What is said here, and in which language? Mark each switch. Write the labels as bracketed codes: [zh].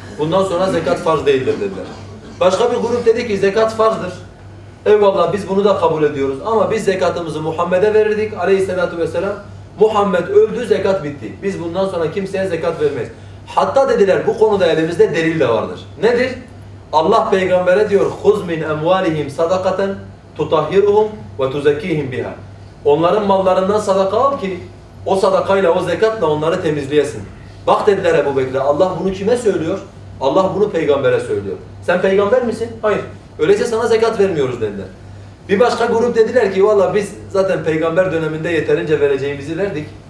[tr] Bundan sonra zekat farz değildir dediler. Başka bir grup dedi ki, zekat farzdır. Eyvallah biz bunu da kabul ediyoruz. Ama biz zekatımızı Muhammed'e verirdik aleyhissalatu vesselam. Muhammed öldü, zekat bitti. Biz bundan sonra kimseye zekat vermeyiz. Hatta dediler, bu konuda elimizde delil de vardır. Nedir? Allah peygambere diyor, [ar] خُذْ مِنْ اَمْوَالِهِمْ صَدَقَةً تُطَهِّرُهُمْ وَتُزَكِّيهِمْ بِهَا. [tr] Onların mallarından sadaka al ki, o sadakayla, o zekatla onları temizleyesin. Bak dediler Ebu Bekir'e, Allah bunu kime söylüyor? Allah bunu peygambere söylüyor. Sen peygamber misin? Hayır. Öyleyse sana zekat vermiyoruz dediler. Bir başka grup dediler ki, vallahi biz zaten peygamber döneminde yeterince vereceğimizi verdik.